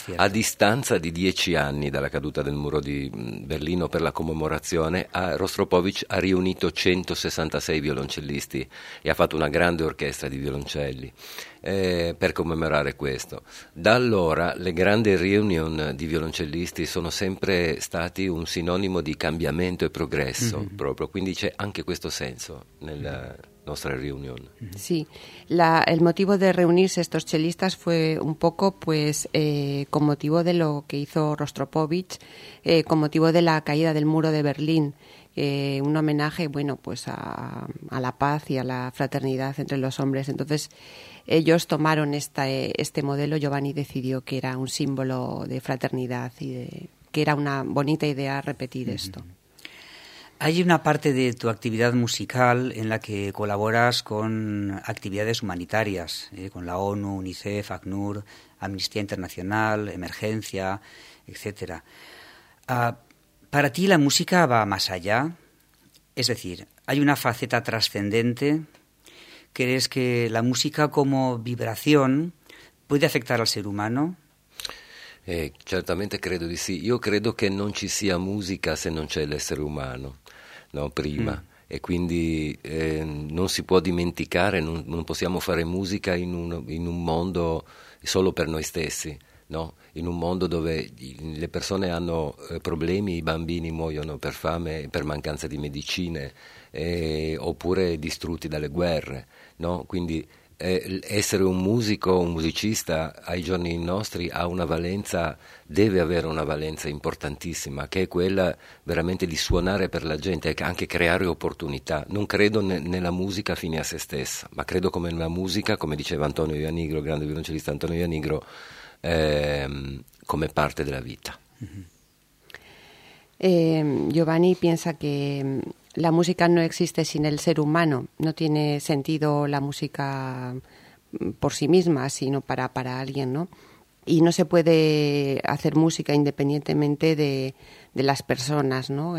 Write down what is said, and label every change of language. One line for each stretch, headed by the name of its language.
Italian: A distanza di 10 anni dalla caduta del muro di Berlino per la commemorazione, Rostropovich ha riunito 166 violoncellisti e ha fatto una grande orchestra di violoncelli. Per commemorare questo. Da allora le grandi reunion di violoncellisti sono sempre stati un sinonimo di cambiamento e progresso, proprio, quindi c'è anche questo senso nella nostra reunion. Sì, il motivo di riunirsi
Spanish: estos cellistas fue un poco pues con motivo de lo que hizo Rostropovich, con motivo de la caída del muro de Berlín. Un homenaje, bueno, pues a la paz y a la fraternidad entre los hombres. Entonces ellos tomaron este modelo, Giovanni decidió que era un símbolo de fraternidad y que era una bonita idea repetir esto. Hay una parte de tu actividad musical en la que colaboras con actividades humanitarias, con la ONU, UNICEF, ACNUR, Amnistía Internacional, Emergencia, etcétera. Para ti la música va más allá, es decir, hay una faceta trascendente. ¿Crees que la música como vibración puede afectar al ser humano?
Italian: Certamente credo di sì. Io credo che non ci sia musica se non c'è l'essere umano, no? Prima. E quindi non si può dimenticare, non possiamo fare musica in un mondo solo per noi stessi. no? In un mondo dove le persone hanno problemi, i bambini muoiono per fame, per mancanza di medicine, oppure distrutti dalle guerre, no? Quindi essere un musico, un musicista ai giorni nostri ha una valenza, deve avere una valenza importantissima, che è quella veramente di suonare per la gente e anche creare opportunità. Non credo nella musica fine a se stessa, ma credo come nella musica, come diceva Antonio Ianigro, grande violoncellista Antonio Ianigro, come parte della vita.
Spanish: Giovanni
Italian: pensa che
Spanish: la música no existe sin el ser humano, no tiene sentido la música por sí misma, sino para alguien, ¿no? Y no se puede hacer música independientemente de las personas, ¿no?